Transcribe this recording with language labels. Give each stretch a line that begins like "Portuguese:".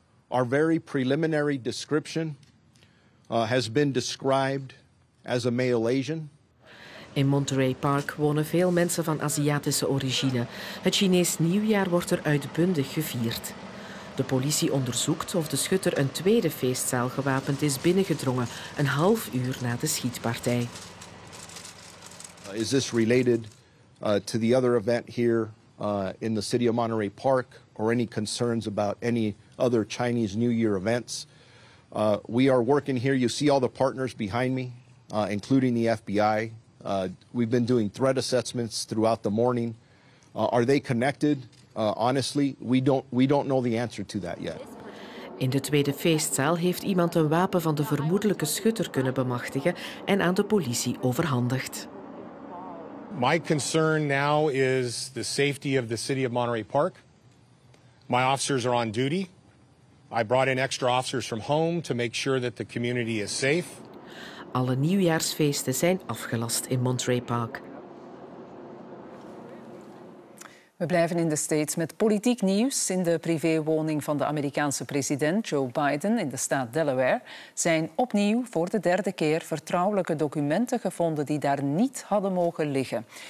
English: Our very preliminary description has been described as a male Asian.
Dutch: In Monterey Park wonen veel mensen van Aziatische origine. Het Chinees nieuwjaar wordt er uitbundig gevierd. De politie onderzoekt of de schutter een tweede feestzaal gewapend is binnengedrongen, een half uur na de schietpartij.
English: Is this related to the other event here in the city of Monterey Park or any concerns about any other Chinese New Year events? We are working here. You see all the partners behind me, including the FBI. We've been doing threat assessments throughout the morning. Are they connected? Honestly, we don't know the answer to that yet.
Dutch: In de tweede feestzaal heeft iemand een wapen van de vermoedelijke schutter kunnen bemachtigen en aan de politie overhandigd.
English: My concern now is the safety of the city of Monterey Park. My officers are on duty. I brought in extra officers from home to make sure that the community is safe.
Dutch: Alle nieuwjaarsfeesten zijn afgelast in Monterey Park. We blijven in de States met politiek nieuws. In de privéwoning van de Amerikaanse president Joe Biden in de staat Delaware zijn opnieuw voor de derde keer vertrouwelijke documenten gevonden die daar niet hadden mogen liggen.